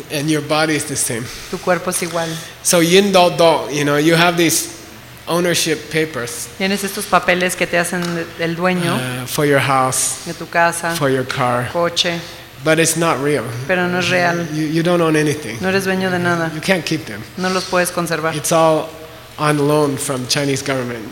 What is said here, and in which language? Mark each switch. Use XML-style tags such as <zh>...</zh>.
<en>And your body is the same.</en> <es>Tu cuerpo es igual.</es> <en>So yin dao dao, you know, you have these ownership papers.</en> <es>Tienes estos papeles que te hacen el dueño.</es> <en>For your house.</en> <es>De tu casa.</es> <en>For your car.</en> <es>Coche.</es> <en>But it's not real.</en> <es>Pero no es real.</es> <en>You don't own anything.</en> <es>No eres dueño de nada.</es> <en>You can't keep them.</en> <es>No los puedes conservar.</es> <en>It's all on loan from Chinese government.</en>